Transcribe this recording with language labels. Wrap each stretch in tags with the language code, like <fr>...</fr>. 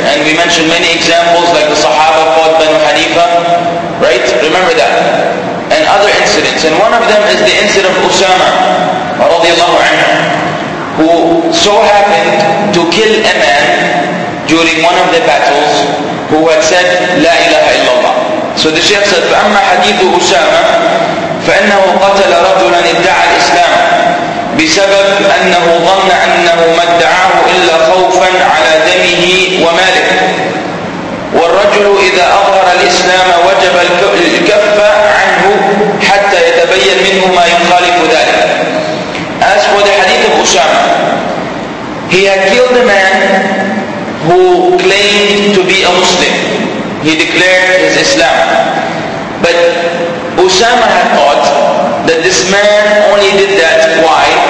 <en>And we mentioned many examples like the Sahaba fought Banu Hanifa, right? Remember that. And other incidents. And one of them is the incident of Usama radiallahu anhu, who so happened to kill a man during one of the battles who had said La ilaha illallah.</en> <ar>So the Shaykh said, فَأَمَّا حَدِيثُ أُسَامَةَ فَإِنَّهُ قَتَلَ رَجُلًا ادَّعَى الْإِسْلَامَ بسبب أنه ظن أنه ما ادعاه إلا خوفا على دمه وماله. والرجل إذا أظهر الإسلام وجب الكف عنه حتى يتبين منه ما يخالف ذلك.</ar> <en>As for the hadith of Usama, he had killed a man who claimed to be a Muslim. He declared his Islam. But Usama had thought that this man only did that, why?</en>